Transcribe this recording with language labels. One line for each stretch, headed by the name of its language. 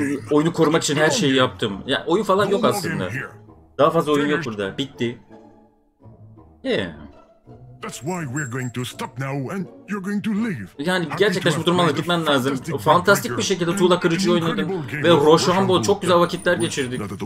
Turkish: Oyunu korumak için her şeyi yaptım. Ya oyun falan yok aslında. Daha fazla oyun yok burada. Bitti.
English: That's why we're going to stop now and you're going to leave.
Turkish: Yani gerçekten şu durumdan gitmen lazım. Fantastik bir şekilde tuğla kırıcı oynadın ve Rochambeau çok güzel vakitler geçirdik.